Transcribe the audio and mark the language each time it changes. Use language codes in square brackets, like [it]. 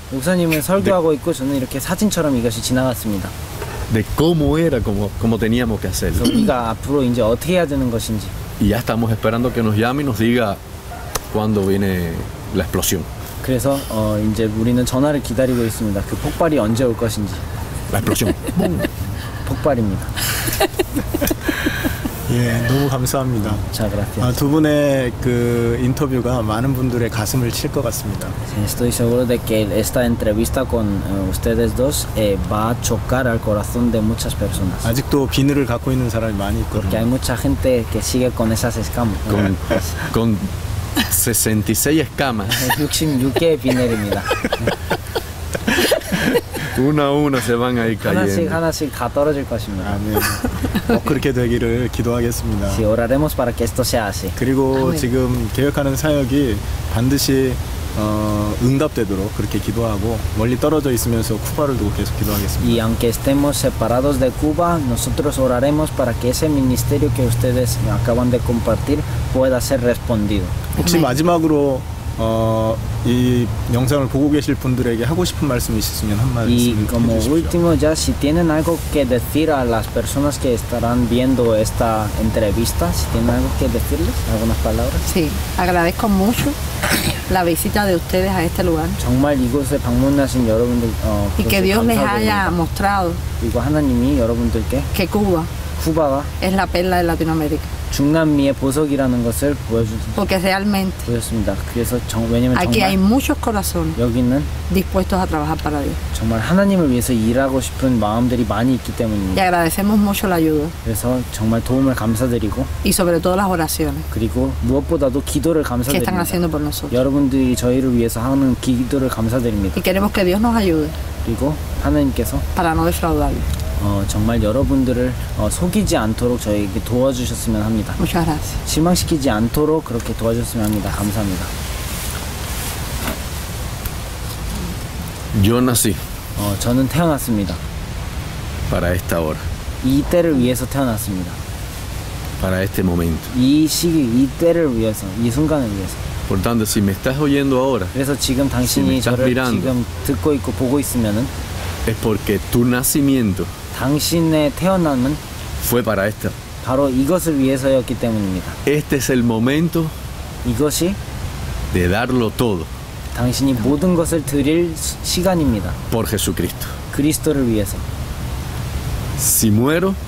[ko] 목사님은 설교하고 있고 저는 이렇게 사진처럼 이것이 지나갔습니다. [es] De cómo era, cómo teníamos que hacerlo. [ko] 우리가 앞으로 이제 어떻게 해야 되는 것인지. [es] Y ya estamos esperando que nos llame y nos diga cuándo viene la explosión. [ko] 그래서 이제 우리는 전화를 기다리고 있습니다. 그 폭발이 언제 올 것인지. [es] La explosión. [ko] 폭발입니다. 예, 너무 감사합니다. 자, [es] gracias. [ko] 아, 두 분의 그 인터뷰가 많은 분들의 가슴을 칠 것 같습니다. [es] Estoy seguro de que esta entrevista con ustedes dos va a chocar al corazón de muchas personas. [ko] 아직도 비늘을 갖고 있는 사람이 많이 있거든요. [es] Porque hay mucha gente que sigue con esas escamas. Con 66 escamas. [ko] 66개 비늘입니다. [es] Una a una se van a ir cayendo. [ko] 하나씩 다 떨어질 것입니다. 아멘. 그렇게 되기를 기도하겠습니다. [es] Sí, oraremos para que esto sea así. [ko] 그리고 아멘. 지금 계획하는 사역이 반드시 응답되도록 그렇게 기도하고 멀리 떨어져 있으면서 쿠바를 두고 계속 기도하겠습니다. [es] Y aunque estemos separados de Cuba, nosotros oraremos para que ese ministerio que ustedes acaban de compartir pueda ser respondido. [ko] 혹시 마지막으로 이 영상을 보고 계실 분들에게 하고 싶은 말씀이 있으시면 한 말씀 해주십시오. [es] Y como último ya, si tienen algo que decir a las personas que estarán viendo esta entrevista, si tienen algo que decirles, algunas palabras. Sí, agradezco mucho la visita de ustedes a este lugar. [ko] 정말 이곳에 방문하신 여러분들 [es] y que Dios les haya mostrado. [ko] 그리고 하나님이 여러분들께 [es] que Cuba. [ko] 쿠바가 [es] es la perla de Latinoamérica. [ko] 중남미의 보석이라는 것을 보여주셨습니다. [es] Porque realmente [ko] 보였습니다. 그래서 왜냐면 [es] aquí hay muchos corazones [ko] 여기는 [es] dispuestos a trabajar para Dios. [ko] 정말 하나님을 위해서 일하고 싶은 마음들이 많이 있기 때문입니다. [es] Y agradecemos mucho la ayuda. [ko] 그래서 정말 도움을 감사드리고 [es] y sobre todo las oraciones [ko] 그리고 무엇보다도 기도를 감사드립니다. [es] Que están haciendo por nosotros. [ko] 여러분들이 저희를 위해서 하는 기도를 감사드립니다. [es] Y queremos que Dios nos ayude. [ko] 그리고 하나님께서 [es] para no defraudarle. [ko] 정말 여러분들을 속이지 않도록 저희에게 도와주셨으면 합니다. 실망시키지 않도록 그렇게 도와주셨으면 합니다. 감사합니다. [es] Yo nací. [ko] 저는 태어났습니다. [es] Para esta hora. [ko] 이때를 위해서 태어났습니다. [es] Para este momento. [ko] 이 시기, 이때를 위해서, 이 순간을 위해서. [es] Por tanto, si me estás oyendo ahora. [ko] 그래서 지금 당신이 [es] si me estás [ko] 저를 [es] mirando, [ko] 지금 듣고 있고 보고 있으면은 [es] es porque tu nacimiento [ko] 당신의 태어남은 [es] fue para esto. [ko] 바로 이것을 위해서였기 때문입니다. [es] Este es el momento [ko] 이것이 [es] de darlo todo. [ko] 당신이 모든 것을 드릴 시간입니다. [es] Por Jesucristo. [ko] 그리스도를 위해서. [es] Si muero